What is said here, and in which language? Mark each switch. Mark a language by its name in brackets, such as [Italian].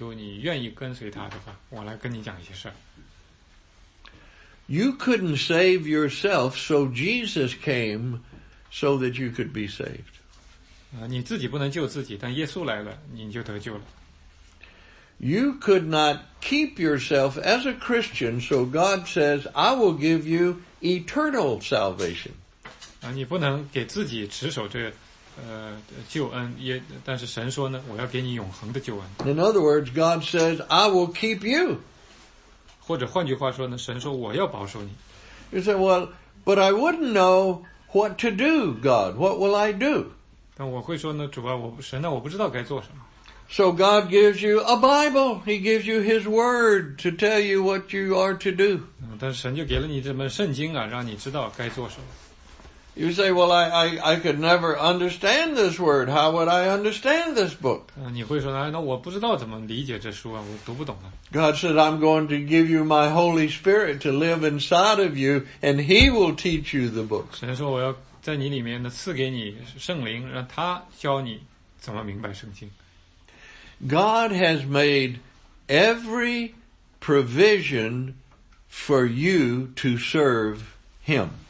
[Chinese] 如果你今天是信靠耶稣基督，你愿意跟随他的话，我来跟你讲一些事儿。 [English] You couldn't save yourself, so Jesus came so that you could be saved. [Chinese] 你自己不能救自己，但耶稣来了，你就得救了。 [English] You could not keep yourself as a Christian, so God says, I will give you eternal salvation. [Chinese] 你不能给自己持守这救恩，但是神说呢，我要给你永恒的救恩。 [English] In other words, God says, I will keep you. [Chinese] 或者换句话说呢，神说我要保守你。 [English] You say, well, but I wouldn't know what to do, God. What will I do? [Chinese] 但我会说呢，主啊，神啊，我不知道该做什么。 [English] So God gives you a Bible. He gives you His Word to tell you what you are to do. [Chinese] 但神就给了你这本圣经啊，让你知道该做什么。 [English] You say, well, I could never understand this word. How would I understand this book? [Chinese] 你会说，那我不知道怎么理解这书啊，我读不懂啊。 [English] God said, I'm going to give you my Holy Spirit to live inside of you, and He will teach you the book. [Chinese] 神说，我要在你里面呢，赐给你圣灵，让他教你怎么明白圣经。 [English] God has made every provision for you to serve Him.